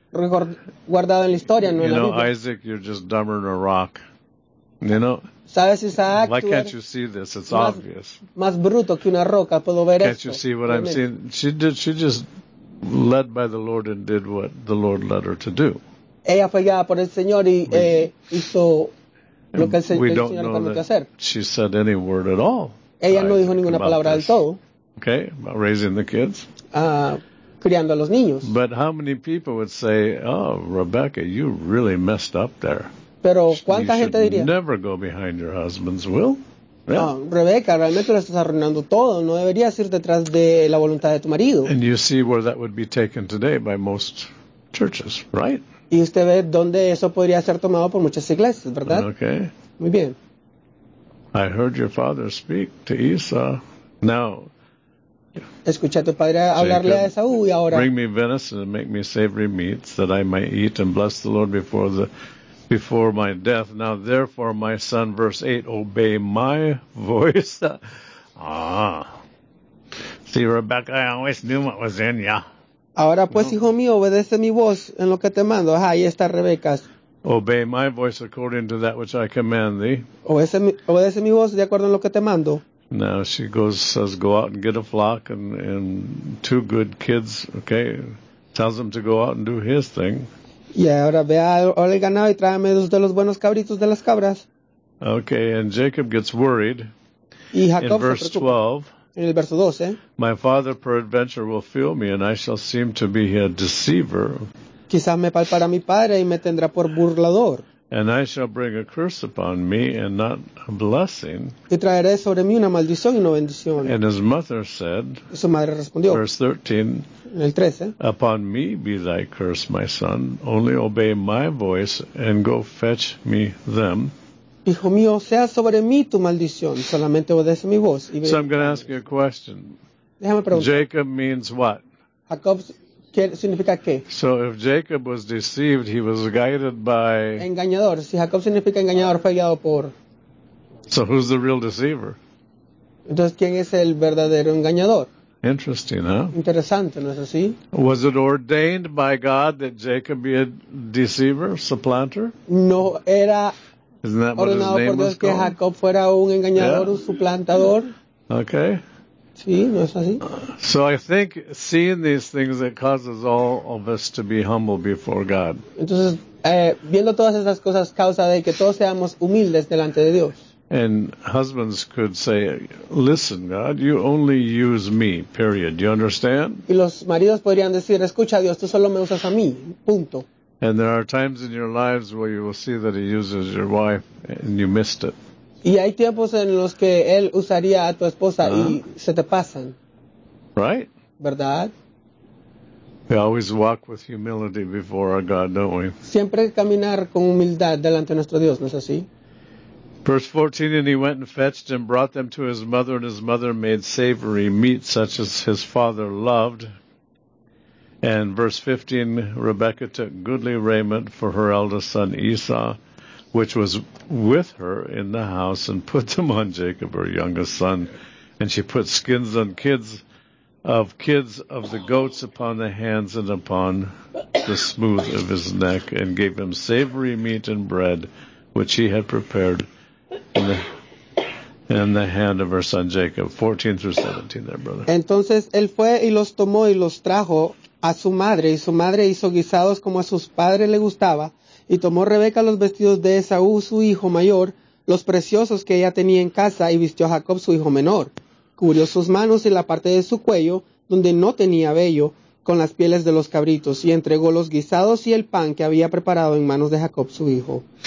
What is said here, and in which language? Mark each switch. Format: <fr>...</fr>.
<es>Guardado en la historia, no</es> <en>you</en> <es>en</es> <en>know,</en> <es>la Biblia.</es> <en>Isaac, you're just dumber than a rock. You know?</en> <es>¿Sabes, Isaac,</es> <en>why can't you see this? It's</en> <es>más,</es> <en>obvious.</en> <es>Más bruto que una roca. Puedo ver</es> <en>can't</en> <es>esto,</es> <en>you see what</en> <es>realmente.</es> <en>I'm seeing? She just led by the Lord and did what the Lord led her to do.</en> <es>Ella fue guiada por el Señor y hizo lo que el Señor le mandó hacer.</es> <en>She said any word at all.</en> <es>Ella no dijo ninguna palabra</es> <en>this.</en> <es>Del todo.</es> <en>Okay, about raising the kids.</en> <es>Criando a los niños.</es> <en>But how many people would say, oh, Rebecca, you really messed up there.</en> <es>Pero ¿cuánta gente diría?</es> <en>You should never go behind your husband's will. Yeah.</en> <es>No, Rebecca, realmente lo estás arruinando todo. No deberías ir detrás de la voluntad de tu marido.</es> <en>And you see where that would be taken today by most churches, right?</en> <es>Y usted ve dónde eso podría ser tomado por muchas iglesias, ¿verdad?</es> <en>Okay.</en> <es>Muy bien.</es> <en>I heard your father speak to Esau. Now,</en> <es>escuché a tu padre hablarle</es> <en>Jacob,</en> <es>a Esaú y ahora.</es> <en>Bring me venison and make me savory meats that I might eat and bless the Lord before my death. Now therefore, my son, verse 8, obey my voice. See, Rebecca, I always knew what was in ya.</en> <es>Ahora pues, no. Hijo mío, obedece mi voz en lo que te mando. Ajá, ahí está Rebeca.</es> <en>Obey my voice according to that which I command thee.</en> <es>Obedece mi voz de acuerdo en lo que te mando.</es> <en>Now she goes, says, go out and get a flock and two good kids, okay, tells them to go out and do his thing.</en> <es>Yeah, ahora ve al ganado y tráeme dos de los buenos cabritos de las cabras.</es> <en>Okay, and Jacob gets worried.</en> <es>Y Jacob</es> <en>in verse 12.</en> <es>En el verso 12.</es> <en>My father peradventure will feel me and I shall seem to be a deceiver.</en> <es>Quizás me palpará mi padre y me tendrá por burlador.</es> <en>And I shall bring a curse upon me and not a blessing.</en> <es>Y traeré sobre mí una maldición y no bendición.</es> <en>And his mother said,</en> <es>su madre respondió,</es> <en>verse 13,</en> <es>el 13,</es> <en>upon me be thy curse, my son. Only obey my voice and go fetch me them.</en> <es>Hijo mío, sea sobre mí tu maldición. Solamente obedece mi voz.</es> <en>So I'm going to ask you a question.</en> <es>Déjame preguntar.</es> <en>Jacob means what?</en> <es>Jacob significa qué?</es> <en>So if Jacob was deceived, he was guided by...</en> <es>Engañador. Si Jacob significa engañador, fue guiado por...</es> <en>So who's the real deceiver?</en> <es>Entonces, ¿quién es el verdadero engañador?</es> <en>Interesting, huh?</en> <es>Interesante, ¿no es así?</es> <en>Was it ordained by God that Jacob be a deceiver, supplanter?</en> <es>No era...</es> <en>Isn't that what his name was</en> <es>que</es> <en>called?</en> <es>Jacob fuera un engañador, yeah. Un suplantador.</es> <en>Okay.</en> <es>Sí, ¿no es así?</es> <en>So I think seeing these things, it causes all of us to be humble before God.</en> <es>Entonces, viendo todas estas cosas, causa de que todos seamos humildes delante de Dios.</es> <en>And husbands could say, listen, God, you only use me, period. Do you understand?</en> <es>Y los maridos podrían decir, escucha Dios, tú solo me usas a mí, punto.</es> <en>And there are times in your lives where you will see that he uses your wife and you missed it.</en> <es>Y hay tiempos en los que él usaría a tu esposa y se te pasan.</es> <en>Right?</en> <es>¿Verdad?</es> <en>We always walk with humility before our God, don't we?</en> <es>Siempre caminar con humildad delante de nuestro Dios, ¿no es así?</es> <en>Verse 14, and he went and fetched and brought them to his mother, and his mother made savory meat such as his father loved. And verse 15, Rebekah took goodly raiment for her eldest son Esau, which was with her in the house, and put them on Jacob, her youngest son. And she put skins on kids of the goats upon the hands and upon the smooth of his neck, and gave him savory meat and bread, which he had prepared in the hand of her son Jacob. 14 through 17 there, brother.</en> <es>Entonces él fue y los tomó y los trajo a su madre, y su madre hizo guisados como a sus padres le gustaba, y tomó Rebeca los vestidos de Esaú, su hijo mayor, los preciosos que ella tenía en casa, y vistió a Jacob, su hijo menor. Cubrió sus manos y la parte de su cuello, donde no tenía vello, con las pieles de los cabritos, y entregó los guisados y el pan que había preparado en manos de Jacob, su hijo.</es>